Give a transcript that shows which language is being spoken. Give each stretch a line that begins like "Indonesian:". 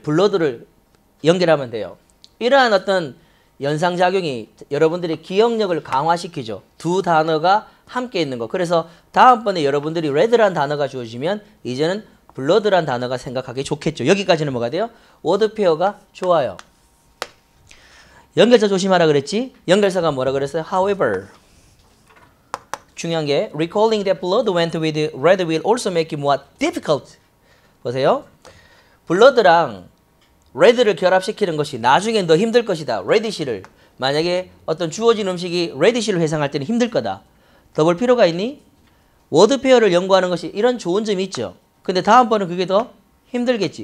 Korean: 블러드를 연결하면 돼요. 이러한 어떤 연상작용이 여러분들의 기억력을 강화시키죠. 두 단어가 함께 있는 거. 그래서 다음번에 여러분들이 레드란 단어가 주어지면 이제는 블러드란 단어가 생각하기 좋겠죠. 여기까지는 뭐가 돼요? 워드페어가 좋아요. 연결사 조심하라 그랬지? 연결사가 뭐라 그랬어요?
English: However.
Korean: 중요한 게
English: recalling that blood went with red will also make it more difficult.
Korean: 보세요. 블러드랑 레드를 결합시키는 것이 나중엔 더 힘들 것이다. 레디시를. 만약에 어떤 주어진 음식이 레디시를 회상할 때는 힘들 거다. 더 볼 필요가 있니? 워드페어를 연구하는 것이 이런 좋은 점이 있죠. 근데 다음번은 그게 더 힘들겠지.